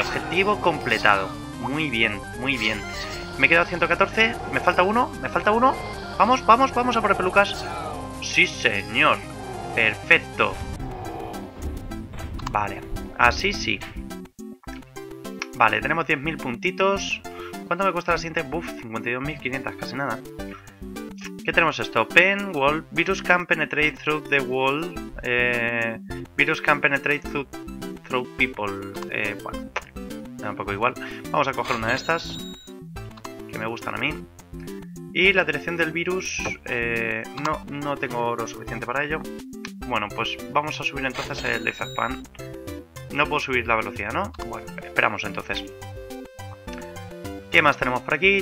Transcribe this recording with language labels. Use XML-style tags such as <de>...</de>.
<es>Objetivo completado. Muy bien, muy bien. Me he quedado 114, me falta uno. Vamos, vamos, vamos a por el pelucas. Sí, señor. Perfecto. Vale, así sí. Vale, tenemos 10.000 puntitos. ¿Cuánto me cuesta la siguiente? Buf, 52.500, casi nada. ¿Qué tenemos esto?</es> <en>Pen, wall, virus can penetrate through the wall. Virus can penetrate through people.</en> <es>Bueno, da un poco igual. Vamos a coger una de estas. Que me gustan a mí. Y la dirección del virus. No tengo oro suficiente para ello. Bueno, pues vamos a subir entonces el lifespan. No puedo subir la velocidad, ¿no? Bueno, esperamos entonces. ¿Qué más tenemos por aquí?</es>